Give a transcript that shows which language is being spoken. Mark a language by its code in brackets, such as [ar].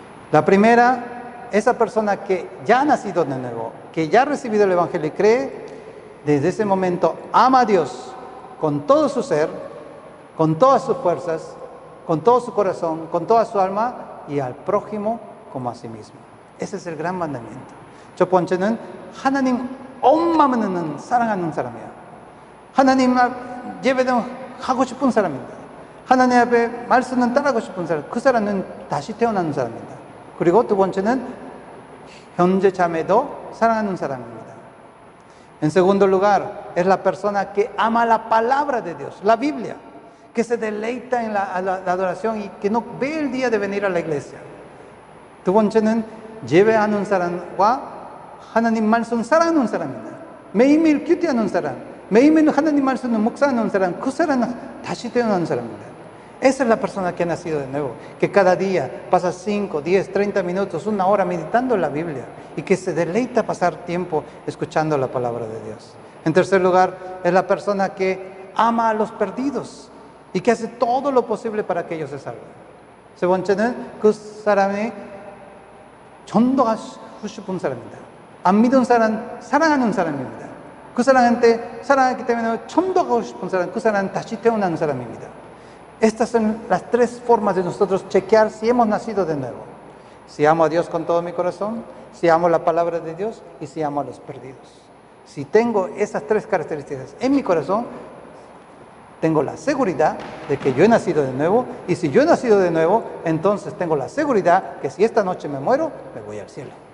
[es] La primera, esa persona que ya ha nacido de nuevo, que ya ha recibido el Evangelio y cree, desde ese momento ama a Dios con todo su ser, con todas sus fuerzas, con todo su corazón, con toda su alma y al prójimo como a sí mismo. Ese es el gran mandamiento. [ko] 첫 번째는 하나님 온 마음으로는 사랑하는 사람이야. 하나님 예배는 하고 싶은 사람입니다. 하나님 앞에 말씀은 따라하고 싶은 사람. 그 사람은 다시 태어나는 사람입니다. 그리고 두 번째는 형제 자매도 사랑하는 사람입니다. [es] En segundo lugar es la persona que ama la palabra de Dios, la Biblia. Que se deleita en la adoración y que no ve el día de venir a la iglesia. [ko] 두 번째는 예배하는 사람과 하나님 말씀 사랑하는 사람입니다. 매일매일 큐티하는 사람, 매일매일 하나님 말씀을 묵상하는 사람, 그 사람은 다시 태어나는 사람입니다. [es] Esa es la persona que ha nacido de nuevo, que cada día pasa 5, 10, 30 minutos, una hora meditando la Biblia y que se deleita pasar tiempo escuchando la palabra de Dios. En tercer lugar, es la persona que ama a los perdidos. Y que hace todo lo posible para que ellos se salven. [ko] 세 번째는 그 사람이 전도하고 싶은 사람입니다. 안 믿은 사람, 사랑하는 사람입니다. 그 사람한테 사랑하기 때문에 전도하고 싶은 사람, 그 사람은 다시 태어나는 사람입니다. [es] Estas son las 3 formas de nosotros chequear si hemos nacido de nuevo. Si amo a Dios con todo mi corazón, si amo la palabra de Dios y si amo a los perdidos. Si tengo esas 3 características en mi corazón, tengo la seguridad de que yo he nacido de nuevo, y si yo he nacido de nuevo, entonces tengo la seguridad que si esta noche me muero, me voy al cielo.